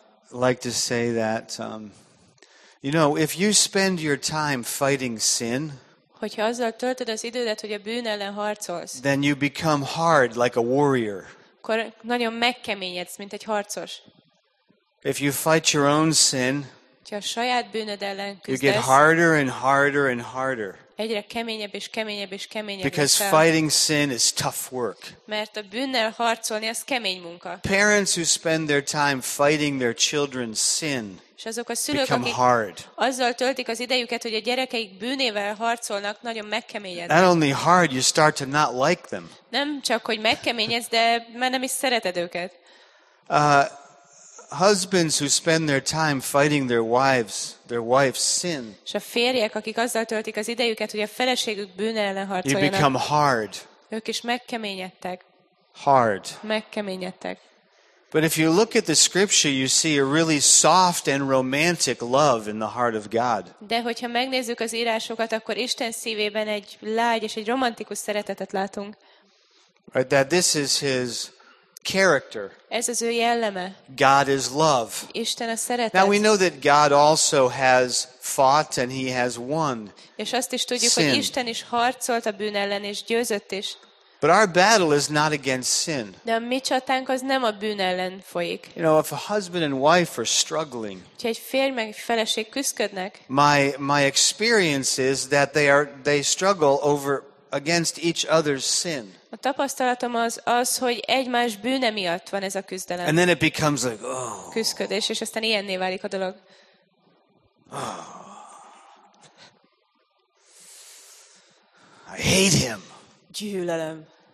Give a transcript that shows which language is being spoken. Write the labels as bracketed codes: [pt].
[en] Like to say that, you know, if you spend your time fighting sin, [hu] hogyha azzal töltöd az idődet, hogy a bűn ellen harcolsz, [en] then you become hard like a warrior. [hu] Akkor nagyon megkeményedsz, mint egy harcos. [en] If you fight your own sin, [hu] ha a saját bűnöd ellen küzdesz, [en] you get harder and harder and harder. [hu] Egyre keményebb és keményebb és keményebb. [en] Because fighting sin is tough work. [hu] Mert a bűnnel harcolni az kemény munka. [en] Parents who spend their time fighting their children's sin. [hu] És azok a szülők, akik azzal töltik az idejüket, hogy a gyerekeik bűnével harcolnak, nagyon megkeményednek. [en] Not only hard, you start to not like them. [hu] Nem csak, hogy megkeményedsz, de már nem is szereted őket. [en] Husbands who spend their time fighting their wife's sin. [hu] És a férjek, akik azzal töltik az idejüket, hogy a feleségük bűne ellen harcoljanak. [en] You become hard. [hu] Ők is megkeményedtek. [en] Hard. [hu] Megkeményedtek. [en] But if you look at the scripture, you see a really soft and romantic love in the heart of God. [hu] De hogyha megnézzük az írásokat, akkor Isten szívében egy lágy és egy romantikus szeretetet látunk. [en] Right, that this is his character. [hu] Ez az ő jelleme. [en] God is love. [hu] Isten a szeretet. [en] Now we know that God also has fought and he has won. [hu] És azt is tudjuk, [en] sin. [hu] Hogy Isten is harcolt a bűn ellen és győzött is. [en] But our battle is not against sin. [hu] De a mi csatánk az nem a bűn ellen folyik. [en] You know, if a husband and wife are struggling. [hu] Hogyha egy férj meg egy feleség küszködnek. [en] My experience is that they struggle over against each other's sin. [hu] A tapasztalatom az, hogy egymás bűne miatt van ez a küzdelem. [en] And then it becomes like, oh. [hu] Küszködés, és aztán ilyenné válik a dolog. [en] Oh. I hate him. [hu] Gyűlölöm.